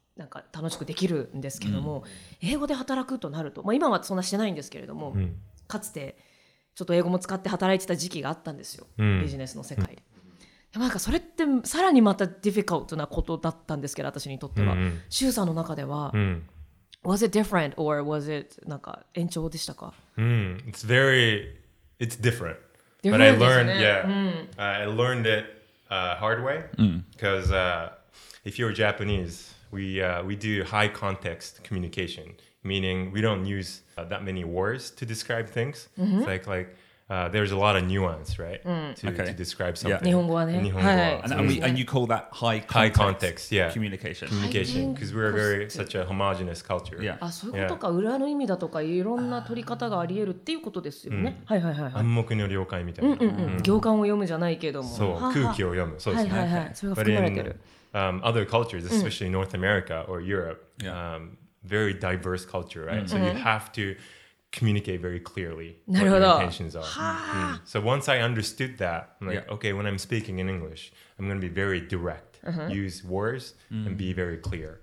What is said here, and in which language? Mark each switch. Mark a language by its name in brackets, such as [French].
[Japanese] なんか楽しくできるんですけども、うん、英語で働くとなると、まあ、今はそんなしてないんですけれども、うん、かつてちょっと英語も使って働いてた時期があったんですよ、うん、ビジネスの世界で、うん、なんかそれってさらにまたディフィカルトなことだったんですけど、私にとっては、うん、シューさんの中では、うん、 [English] Was it different or was it [Japanese] なんか延長でしたか、 [English] うん、It's different But I learned、 [Japanese] ね、 [English] yeah、うん、I learned it、hard way Because、うん、if you're JapaneseWe do high context communication, meaning we don't use、that many words to describe things.、 Mm-hmm. It's like、there's a lot of nuance, right?、 Mm. To,、okay. to describe something. [Japanese] Yeah. 日本語はね。日本語は。 [English] And you call that high context、yeah. communication. Communication, because we're very, such a homogenous culture. Yeah. Yeah. [Japanese] あ、そういうことか、yeah. 裏の意味だとか、いろんな取り方があり得るっていうことですよね。 Mm. はいはいはい、はい、暗黙の了解みたいな。行間を読むじゃないけども。そう、空気を読む。そうですね。はいはいはい、それが含まれてる。 [English] Other cultures, especially、mm. North America or Europe,、yeah. Very diverse culture, right?、Mm. So you have to communicate very clearly what your intentions are. So once I understood that, I'm like,、yeah. okay, when I'm speaking in English, I'm going to be very direct,、 uh-huh. use words、mm. and be very clear.、